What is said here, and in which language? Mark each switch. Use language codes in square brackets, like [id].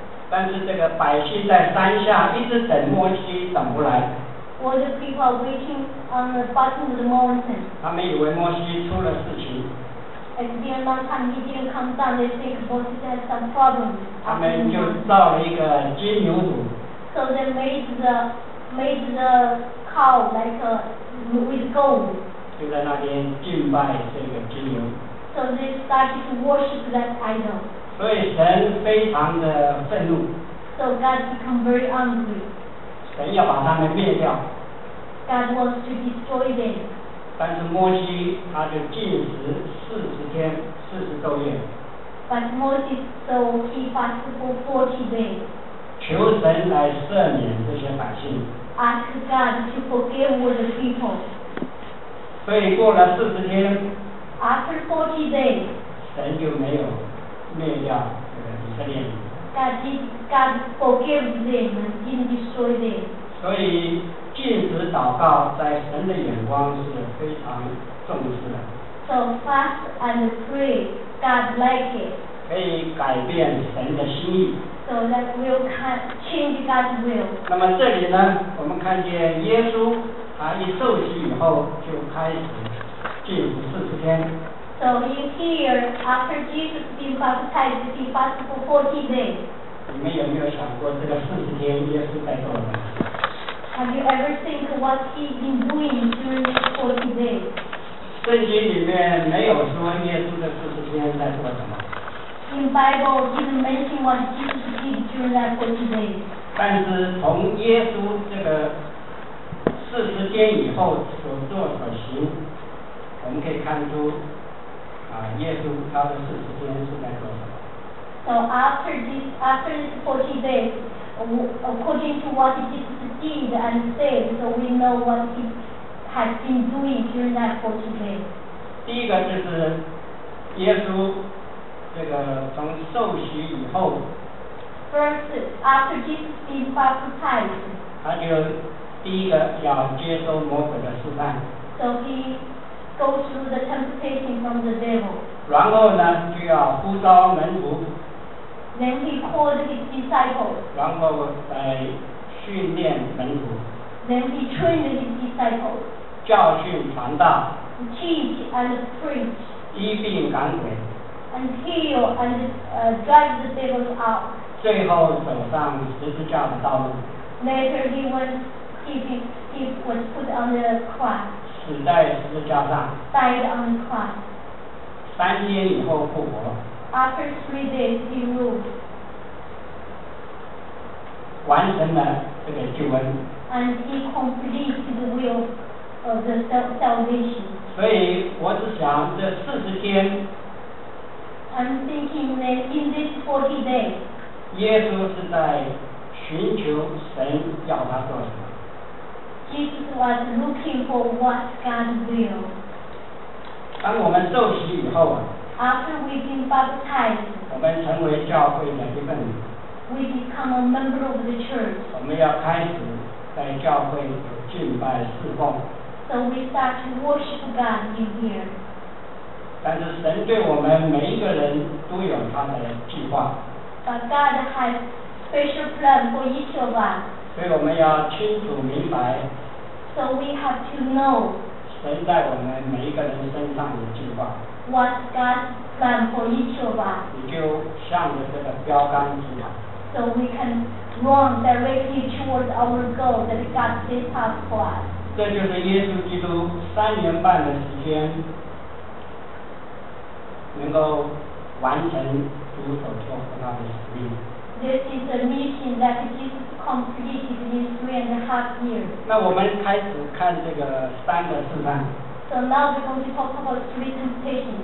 [zh] 但是这个百姓在山下一直等摩西等不来。 [en] Well, the people are waiting on the bottom of the mountain. [zh] 他们以为摩西出了事情。 [en] It's been a long time he didn't come down. They think Moses has some problem. [zh] 他们就造了一个金牛犊。 [en] So they made the cow like a with gold. [zh] 就在那边敬拜这个金牛。 [en] So they started to worship that idol. [zh] 所以神非常的愤怒。 [en] So God became very angry. [zh] 神要把他们灭掉。 [en] God wants to destroy them. [zh] 但是摩西他就禁食40天40昼夜。 [en] But Moses so he fasted for 40 days. [zh] 求神来赦免这些百姓。 [en] Ask God to forgive the people. [zh] 所以过了40天 [en] After 40 days, [zh] 神就没有灭掉这个以色列人。 [en] God forgave them and didn't destroy them. [zh] 所以禁止祷告在神的眼光是非常重视的。 [en] So fast and pray, God like it. [zh] 可以改变神的心意。 [en] So that will change God's will. [zh] 那么这里呢，我们看见耶稣。他一受洗以后就开始禁食40天。 [en] So in here, after Jesus being baptized, he fasted for 40 days. [zh] 你们有没有想过这个40天耶稣在做什么？ [en] Have you ever think what he's been doing during these 40 days? [zh] 圣经里面没有说耶稣的40天在做什么。 [en] In Bible, didn't mention what Jesus did during that 40 days. [zh] 但是从耶稣这个40天以后所做所行，我们可以看出，耶稣他的40天是在做什么。 [en] So after this 40 days, according to what Jesus did and said, so we know what he has been doing during that 40 days. [zh] 第一个就是耶稣这个从受洗以后。 [en] First, after Jesus being baptized. [zh] 他就第一个要接受魔鬼的试探。 [en] So he goes through the temptation from the devil. [zh] 然后呢，就要呼召门徒。 [en] Then he called his disciples. [zh] 然后训练门徒。 [en] Then he trained his disciples. [zh] 教训传道。 [en] Teach and preach. [zh] 医病赶鬼。 [en] And heal and drive the devils out. [zh] 最后走上十字架的道路。 [en] Later he went. He was put on the cross. [zh] 死在十字架上。 [en] Died on the cross. [zh] 3天以后复活。 [en] After 3 days, he rose. [zh] 完成了这个救恩。 [en] And he completed the will of the salvation. [zh] 所以我只想这40天。 [en] I'm thinking that in this 40 days, [zh] 耶稣是在寻求神要他做什么。 [en] Jesus was looking for what God will. [zh] 当我们受洗以后 [en] After we've been baptized, [zh] 我们成为教会的一份子。 [en] We become a member of the church. [zh] 我们要开始在教会敬拜侍奉。 [en] So we start to worship God in here. [zh] 但是神对我们每一个人都有他的计划。 [en] But God has special plan for each of us. [zh] 所以我们要清楚明白 [en] So we have to know [zh] 神在我们每一个人身上的计划 [en] What God's plan for each of us [zh] 你就向着这个标杆去 [en] So we can run directly towards our goal that God set up for us [zh] 这就是耶稣基督3年半的时间能够完成主所托付他的使命 [en] This is a mission that Jesus completed in 3.5 years. [zh] 那我们开始看这个3个试探。 [en] So now we're going to talk about 3 temptations.